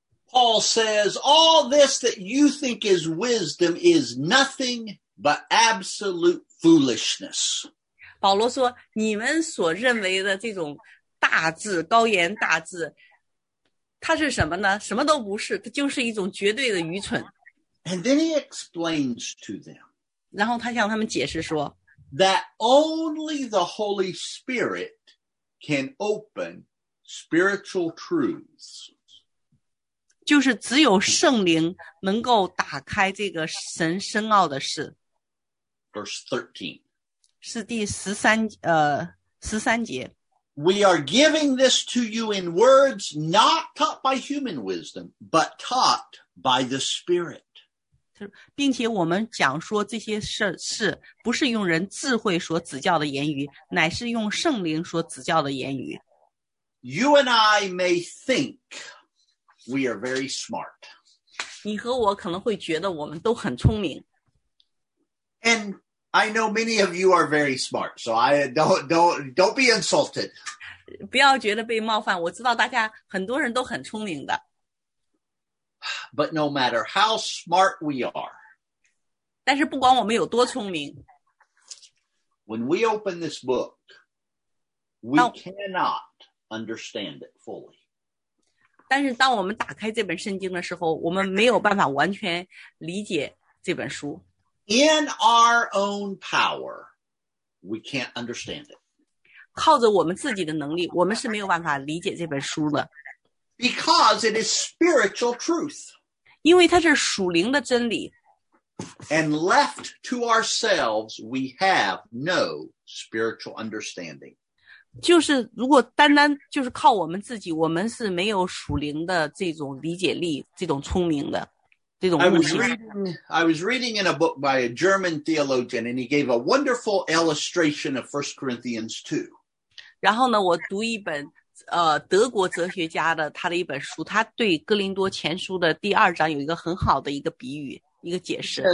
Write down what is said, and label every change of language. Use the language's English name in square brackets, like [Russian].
[English] Paul says, all this that you think is wisdom is nothing but absolute foolishness. [Chinese] 保罗说你们所认为的这种大智高言大智它是什么呢？什么都不是，它就是一种绝对的愚蠢。 [English] And then he explains to them. [Chinese] 然后他向他们解释说 [English] ，that only the Holy Spirit can open spiritual truths. [Chinese] 就是只有圣灵能够打开这个神深奥的事。 [English] Verse 13. [Chinese] 是第十三十三节。 [English] We are giving this to you in words not taught by human wisdom, but taught by the Spirit. [Chinese] 并且我们讲说这些事不是用人智慧所指教的言语，乃是用圣灵所指教的言语。 [English] You and I may think we are very smart. [Chinese] 你和我可能会觉得我们都很聪明。 [English] And... I know many of you are very smart, so I don't be insulted. [Chinese] 不要觉得被冒犯，我知道大家很多人都很聪明的。 [English] But no matter how smart we are, [Chinese] 但是不管我们有多聪明， [English] when we open this book, we cannot understand it fully. [Chinese] 但是当我们打开这本圣经的时候，我们没有办法完全理解这本书。 [English] In our own power, we can't understand it. [Chinese] 靠着我们自己的能力，我们是没有办法理解这本书的。 [English] Because it is spiritual truth. [Chinese] 因为它是属灵的真理。 [English] And left to ourselves, we have no spiritual understanding. [Chinese] 就是如果单单就是靠我们自己，我们是没有属灵的这种理解力，这种聪明的。 [English] I was reading in a book by a German theologian, and he gave a wonderful illustration of 1 Corinthians 2. [Chinese] 然后呢，我读一本德国哲学家的他的一本书，他对《哥林多前书》的第二章有一个很好的一个比喻，一个解释。